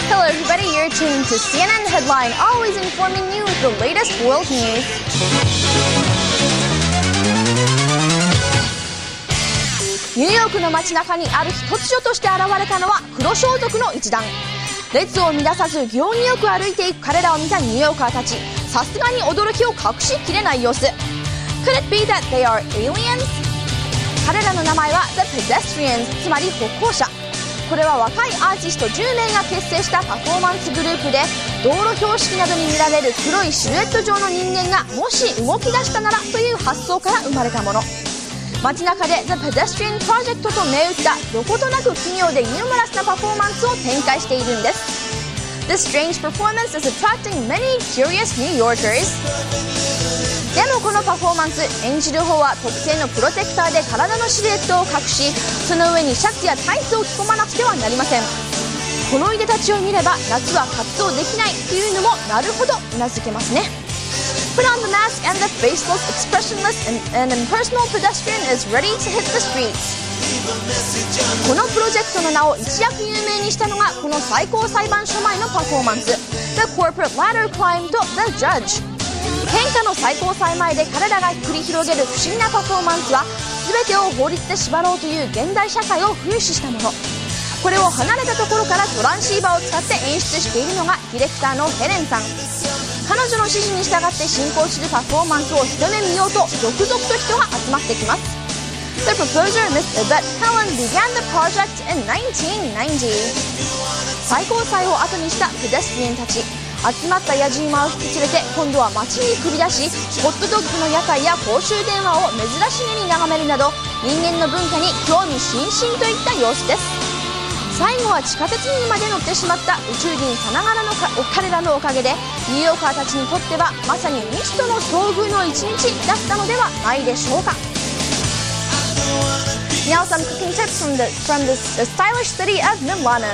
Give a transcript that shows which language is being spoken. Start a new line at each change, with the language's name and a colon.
English: everybody, you're tuned to CNN Headline, always informing you with the latest world news.
Japanese: ニューヨークの街中にある日突如として現れたのは黒装束の一団。列を乱さず行儀よく歩いていく彼らを見たニューヨーカーたち、さすがに驚きを隠しきれない様子。
English: Could it be that they are aliens?
Japanese: 彼らの名前は The Pedestrians、 つまり歩行者。これは若いアーティスト10名が結成したパフォーマンスグループで、道路標識などに見られる黒いシルエット状の人間がもし動き出したならという発想から生まれたもの。街中で The Pedestrian Project と銘打った、どことなく奇妙でユーモラスなパフォーマンスを展開しているんです。
English: This strange performance is attracting many curious New Yorkers.
Japanese: でもこのパフォーマンス、演じる方は特定のプロテクターで体のシルエットを隠し、その上にシャツやタイツを着込まなくてはなりません。このいでたちを見れば、夏は活動できないというのもなるほど頷けますね。
English: Put on the mask and the faceless, expressionless and impersonal pedestrian is ready to hit the streets.
Japanese: このプロジェクトの名を一躍有名にしたのがこの最高裁判所前のパフォーマンス、 The Corporate Ladder Climb と The Judge。変化の最高裁前で彼らが繰り広げる不思議なパフォーマンスは、全てを法律で縛ろうという現代社会を風刺したもの。これを離れたところからトランシーバーを使って演出しているのがディレクターのヘレンさん。彼女の指示に従って進行するパフォーマンスを一目見ようと続々と人が集まってきます。
English: The proposer, Ms. Yvette Helen, began the project in 1990.
Japanese: 最高裁を後にしたペデスティアンたち、集まったヤジ馬を引き連れて今度は街に繰り出し、ホットドッグの屋台や公衆電話を珍しげに眺めるなど、人間の文化に興味津々といった様子です。最後は地下鉄にまで乗ってしまった宇宙人さながらの彼らのおかげで、ニューヨーカーたちにとってはまさに未知との遭遇の一日だったのではないでしょうか。
English: Now some cooking tips from the stylish city of Milano.